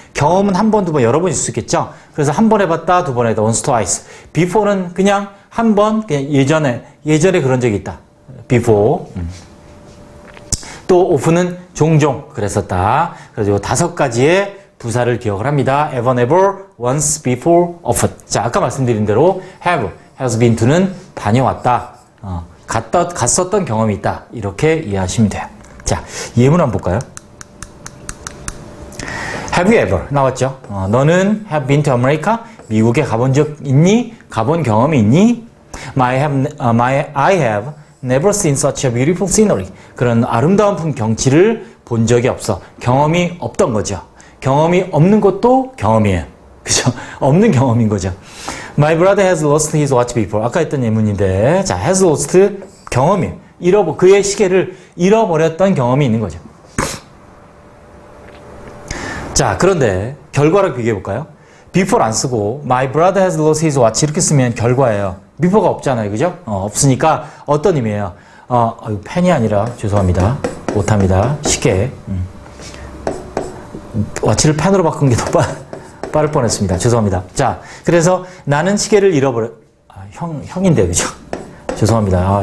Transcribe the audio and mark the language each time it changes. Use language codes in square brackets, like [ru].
[ko] 경험은 한 번, 두 번, 여러 번 있을 수 있겠죠? 그래서 한 번 해봤다, 두 번 해봤다, [en] once, twice. [ko] before는 그냥 한 번, 그냥 예전에 그런 적이 있다. [en] before. [ko] 또 often은 종종 그랬었다. 그래서 이 다섯 가지의 부사를 기억을 합니다. [en] ever, never, once, before, often. [ko] 자, 아까 말씀드린 대로 have, has been to는 다녀왔다. 갔었던 경험이 있다. 이렇게 이해하시면 돼요. 자, 예문 한번 볼까요? [en] Have you ever? [ko] 나왔죠? 너는 [en] have been to America? [ko] 미국에 가본 적 있니? 가본 경험이 있니? [en] I have never seen such a beautiful scenery. [ko] 그런 아름다운 경치를 본 적이 없어. 경험이 없던 거죠. 경험이 없는 것도 경험이에요. 그죠? 없는 경험인 거죠. [en] My brother has lost his watch before. [ko] 아까 했던 예문인데, 자, has lost 경험이 그의 시계를 잃어버렸던 경험이 있는 거죠. 자, 그런데 결과를 비교해 볼까요? [en] Before [ko] 안 쓰고 [en] My brother has lost his watch [ko] 이렇게 쓰면 결과예요. Before가 없잖아요, 그죠? 없으니까 어떤 의미예요? 펜이 아니라 죄송합니다. 못합니다. 시계. watch를 펜으로 바꾼 게 더 빠를 뻔했습니다. 죄송합니다. 자, 그래서 나는 시계를 잃어버려. 형인데 그죠? 죄송합니다.